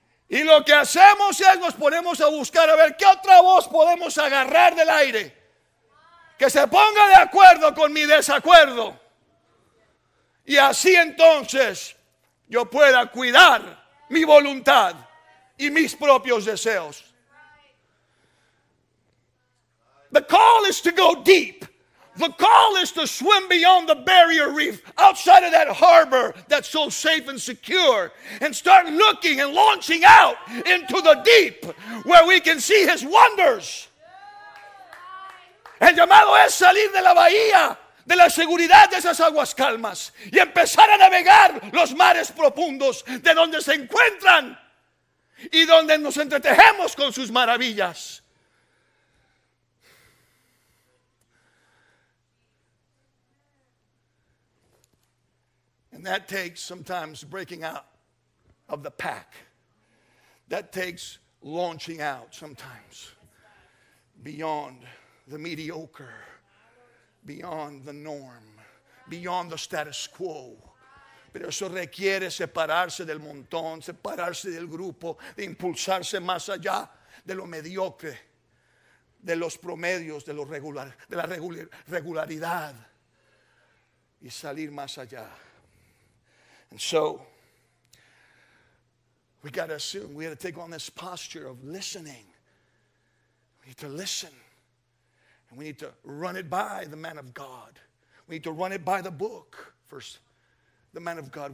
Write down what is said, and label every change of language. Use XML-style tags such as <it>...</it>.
<es>Y lo que hacemos es nos ponemos a buscar a ver qué otra voz podemos agarrar del aire. Que se ponga de acuerdo con mi desacuerdo. Y así entonces yo pueda cuidar mi voluntad y mis propios deseos.</es> <en>The call is to go deep. The call is to swim beyond the barrier reef, outside of that harbor that's so safe and secure, and start looking and launching out into the deep where we can see His wonders.</en> <es>El llamado es salir de la bahía, de la seguridad de esas aguas calmas, y empezar a navegar los mares profundos de donde se encuentran y donde nos entretejemos con sus maravillas.</es> <en>And that takes sometimes breaking out of the pack. That takes launching out sometimes beyond the mediocre, beyond the norm, beyond the status quo.</en> <es>Pero eso requiere separarse del montón, separarse del grupo, de impulsarse más allá de lo mediocre, de los promedios, de lo regular, de la regularidad, y salir más allá.</es> <en>And so, we got to assume, we got to take on this posture of listening. We need to listen. And we need to run it by the man of God. We need to run it by the book, first, the man of God.</en>